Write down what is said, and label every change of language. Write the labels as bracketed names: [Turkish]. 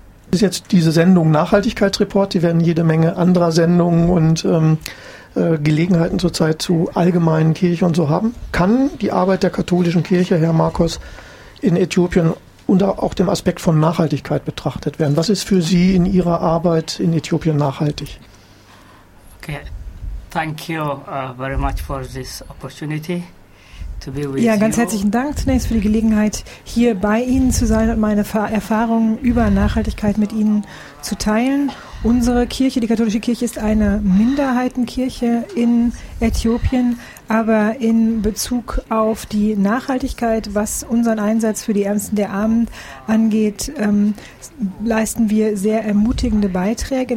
[German] Es ist jetzt diese Sendung Nachhaltigkeitsreport, die werden jede Menge anderer Sendungen und Gelegenheiten zurzeit zu allgemeinen Kirche und so haben. Kann die Arbeit der katholischen Kirche, Herr Markus, in Äthiopien unter auch dem Aspekt von Nachhaltigkeit betrachtet werden? Was ist für Sie in Ihrer Arbeit in Äthiopien nachhaltig? [English] Okay, thank you very much for this opportunity. [German] Ja, ganz herzlichen Dank zunächst für die Gelegenheit, hier bei Ihnen zu sein und meine Erfahrungen über Nachhaltigkeit mit Ihnen zu teilen. Unsere Kirche, die katholische Kirche, ist eine Minderheitenkirche in Äthiopien, aber in Bezug auf die Nachhaltigkeit, was unseren Einsatz für die Ärmsten der Armen angeht, leisten wir sehr ermutigende Beiträge.